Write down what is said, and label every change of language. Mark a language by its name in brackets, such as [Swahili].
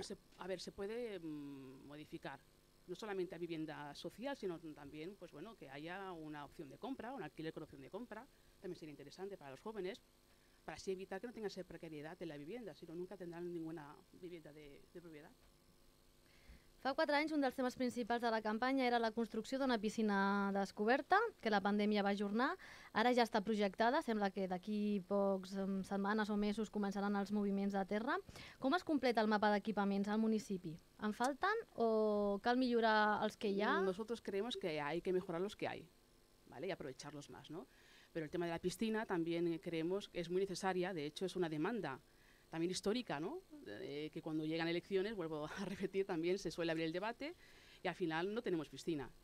[Spanish] Bueno, se puede modificar. No solamente a vivienda social, sino también, pues bueno, que haya una opción de compra, un alquiler con opción de compra, también sería interesante para los jóvenes, para así evitar que no tengan esa precariedad en la vivienda, sino nunca tendrán ninguna vivienda de propiedad. [Catalan] Fa 4 anys, un dels temes principals de la campanya era la construcció d'una piscina descoberta, que la pandèmia va ajornar. Ara ja està projectada, sembla que d'aquí pocs setmanes o mesos començaran els moviments de terra. Com es completa el mapa d'equipaments al municipi? En falten o cal millorar els que hi ha? [Spanish] Nosotros creemos que hay que mejorar los que hay, ¿vale?, y aprovecharlos más, ¿no? Pero el tema de la piscina también creemos que es muy necesaria, de hecho es una demanda también histórica, ¿no?, que cuando llegan elecciones, vuelvo a repetir, también se suele abrir el debate y al final no tenemos piscina.